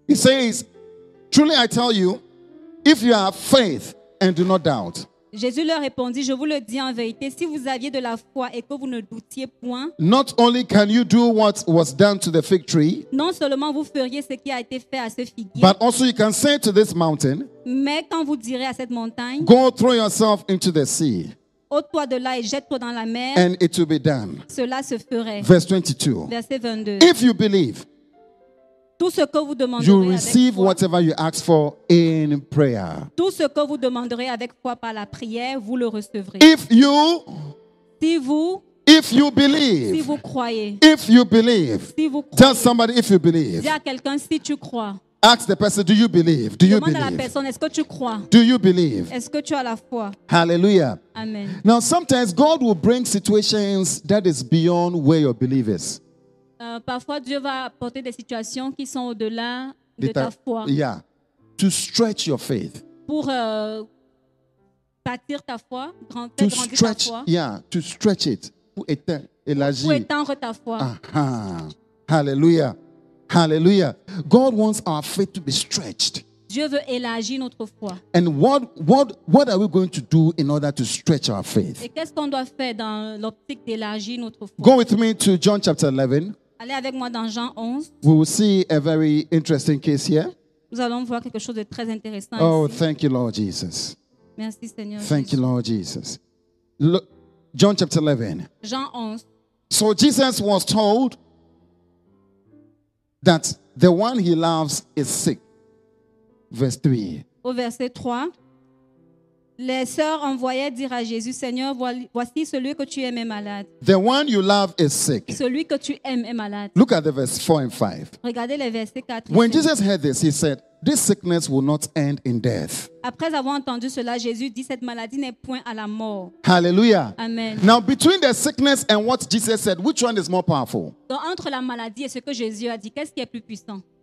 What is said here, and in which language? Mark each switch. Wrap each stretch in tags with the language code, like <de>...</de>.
<en>He says, truly I tell you, if you have faith and do not doubt.</en> <fr>Jésus leur répondit, je vous le dis en vérité, si vous aviez de la foi et que vous ne doutiez point.</fr> <en>Not only can you do what was done to the fig tree.</en> <fr>Non seulement vous feriez ce qui a été fait à ce figuier.</fr> <en>But also you can say to this mountain.</en> <fr>Mais quand vous direz à cette montagne.</fr> <en>Go throw yourself into the sea.</en> <fr>Ôte-toi de là et jette-toi dans la mer.</fr> <en>And it will be done.</en> <fr>Cela se ferait.</fr> <en>Verse 22.</en> <fr>Verset 22.</fr> <en>If you believe,</en> <fr>tout ce que vous demanderez</fr> <en>you receive</en> <fr>avec foi,</fr> <en>whatever you ask for in prayer.</en> <fr>Tout ce que vous demanderez avec foi par la prière, vous le recevrez.</fr> <en>If you,</en> <fr>si vous,</fr> <en>if you believe,</en> <fr>si vous croyez,</fr> <en>if you believe,</en> <fr>si vous croyez,</fr> <en>tell somebody if you believe.</en> <fr>Dis à quelqu'un si tu crois.</fr> <en>Ask the person, do you believe? Do you</en> <fr>demande</fr> <en>believe?</en> <fr>À la personne, est-ce que tu crois?</fr> <en>Do you believe?</en> <fr>Est-ce que tu as la foi?</fr> <en>Hallelujah. Amen. Now, sometimes God will bring situations that is beyond where your belief is.</en> <fr>Parfois, Dieu va apporter des situations qui sont au-delà de ta foi.</fr> <en>Yeah. To stretch your faith.</en> <fr>Pour bâtir ta foi, grandir</fr> <en>stretch,</en> <fr>ta foi.</fr> <en>Yeah, to stretch it.</en> <fr>Pour étendre ta foi.</fr> <en>Uh-huh. Hallelujah. Hallelujah. God wants our faith to be stretched.</en> <fr>Dieu veut élargir notre foi.</fr> <en>And what are we going to do in order to stretch our faith?</en> <fr>Et qu'est-ce qu'on doit faire dans l'optique d'élargir notre foi?</fr> <en>Go with me to John chapter 11.</en> <fr>Allez avec moi dans Jean 11.</fr> <en>We will see a very interesting case here.</en> <fr>Nous allons voir quelque chose de très intéressant.</fr> <en>Oh,</en> <fr>ici.</fr> <en>Thank you, Lord Jesus.</en> <fr>Merci, Seigneur.</fr> <en>Thank Jesus. You, Lord Jesus. Look, John chapter 11.</en> <fr>Jean 11.</fr> <en>So Jesus was told that the one he loves is sick. Verse 3.</en> <fr>Au verset 3. Les sœurs envoyaient dire à Jésus, Seigneur, voici celui que tu aimes est malade.</fr> <en>The one you love is sick.</en> <fr>Celui que tu aimes est malade.</fr> <en>Look at the verse 4 and 5.</en> <fr>Regardez les versets 4 et 5.</fr> <en>When Jesus heard this, he said, this sickness will not end in death.</en> <fr>Après avoir entendu cela, Jésus dit, cette maladie n'est point à la mort.</fr> <en>Hallelujah. Amen. Now, between the sickness and what Jesus said, which one is more powerful?</en> <fr>Donc, entre la maladie et ce que Jésus a dit, qu'est-ce qui est plus puissant?</fr>